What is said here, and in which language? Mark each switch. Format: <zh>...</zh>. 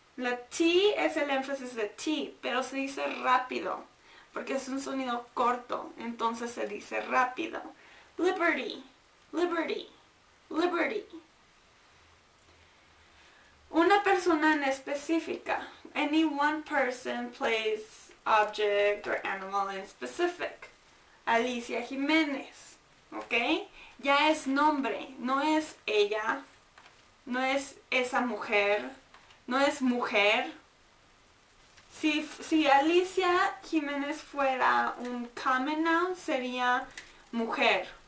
<es>La T es el énfasis de T, pero se dice rápido, porque es un sonido corto, entonces se dice rápido. Liberty. Liberty. Liberty. Una persona en específica.</es> <en>Any one person, place, object, or animal in specific.</en> <es>Alicia Jiménez. ¿Ok? Ya es nombre, no es ella, no es esa mujer, no es mujer. Si Alicia Jiménez fuera un common noun, sería mujer.</es>